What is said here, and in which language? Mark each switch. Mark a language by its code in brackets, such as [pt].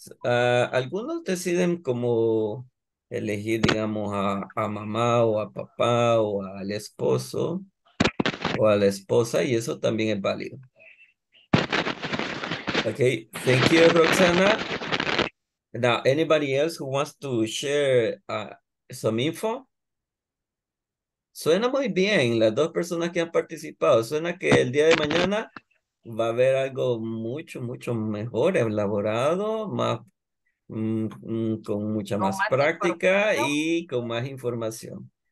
[es] Algunos deciden como elegir, digamos, a mamá o a papá o al esposo. O a la esposa, y eso también es válido. [en] Okay, thank you, Roxana. Now, anybody else who wants to share some info? [es] Suena muy bien, las dos personas que han participado. Suena que el día de mañana va a haber algo mucho, mucho mejor elaborado, con mucha más práctica y con más información.